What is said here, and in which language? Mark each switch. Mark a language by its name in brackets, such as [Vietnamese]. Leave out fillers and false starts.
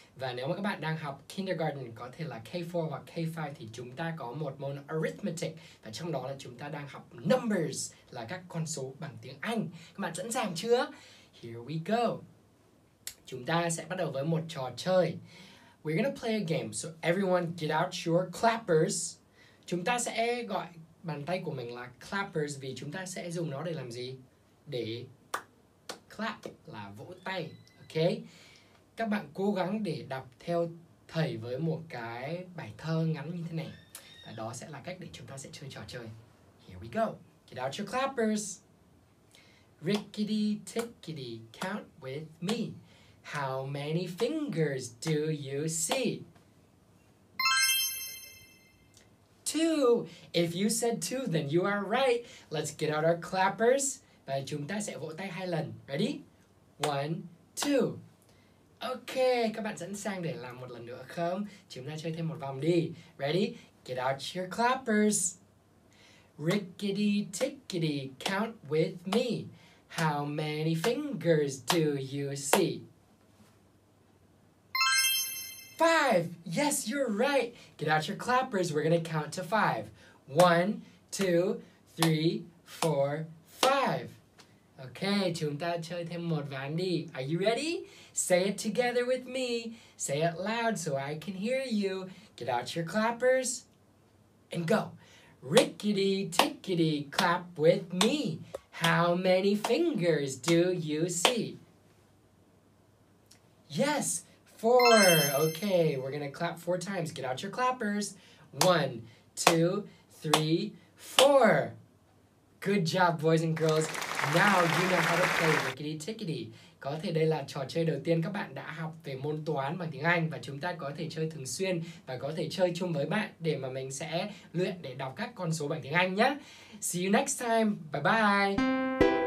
[Vietnamese] Và nếu mà các bạn đang học kindergarten, có thể là K4 hoặc K5, thì chúng ta có một môn arithmetic. Và trong đó là chúng ta đang học numbers, là các con số bằng tiếng Anh. Các bạn sẵn sàng chưa? [English] Here we go. [Vietnamese] Chúng ta sẽ bắt đầu với một trò chơi. [English] We're gonna play a game, so everyone get out your clappers. [Vietnamese] Chúng ta sẽ gọi bàn tay của mình là clappers vì chúng ta sẽ dùng nó để làm gì? Để clap, là vỗ tay. Ok? Các bạn cố gắng để đọc theo thầy với một cái bài thơ ngắn như thế này. Và đó sẽ là cách để chúng ta sẽ chơi trò chơi. [English] Here we go. Get out your clappers. Rickety tickety, count with me. How many fingers do you see? Two. If you said two, then you are right. Let's get out our clappers. [Vietnamese] Và chúng ta sẽ vỗ tay hai lần. [English] Ready? One, two. [Vietnamese] Okay, các bạn sẵn sàng để làm một lần nữa không? Chúng ta chơi thêm một vòng đi. [English] Ready? Get out your clappers. Rickety tickety, count with me. How many fingers do you see? Five. Yes, you're right. Get out your clappers. We're going to count to five. One, two, three, four, five. [Vietnamese] Okay, chúng ta chơi thêm một ván đi. [English] Are you ready? Say it together with me. Say it loud so I can hear you. Get out your clappers and go. Rickety tickety, clap with me. How many fingers do you see? Yes. Four. Okay, we're gonna clap four times. Get out your clappers. One, two, three, four. Good job, boys and girls. Now you know how to play rickety tickety. [Vietnamese] Có thể đây là trò chơi đầu tiên các bạn đã học về môn toán bằng tiếng Anh và chúng ta có thể chơi thường xuyên và có thể chơi chung với bạn để mà mình sẽ luyện để đọc các con số bằng tiếng Anh nhé. [English] See you next time. Bye bye.